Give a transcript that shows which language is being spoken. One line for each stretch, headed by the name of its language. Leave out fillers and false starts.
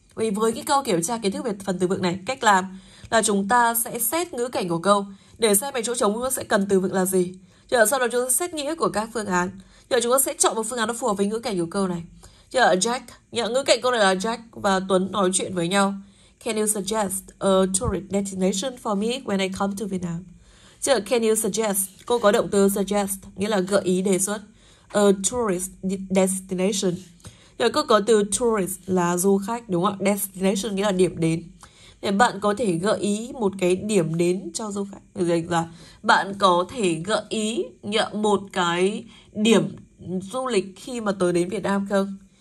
Vietnamese: Vì với cái câu kiểm tra kiến thức về phần từ vựng này, cách làm là chúng ta sẽ xét ngữ cảnh của câu để xem cái chỗ trống chúng ta sẽ cần từ vựng là gì. Giờ sau đó chúng ta xét nghĩa của các phương án. Giờ chúng ta sẽ chọn một phương án nó phù hợp với ngữ cảnh của câu này. Giờ Jack, ngữ cảnh câu này là Jack và Tuấn nói chuyện với nhau.
English: Can you suggest a tourist destination for me when I come to Vietnam?
Vietnamese: Giờ
English: can you suggest,
Vietnamese: cô có động từ suggest, nghĩa là gợi ý đề xuất.
English: A tourist destination.
Vietnamese: Rồi cô có từ tourist là du khách, đúng không ạ? Destination nghĩa là điểm đến. Thì bạn có thể gợi ý một cái điểm đến cho du khách. Rồi là bạn có thể gợi ý một cái điểm du lịch khi mà tới đến Việt Nam không?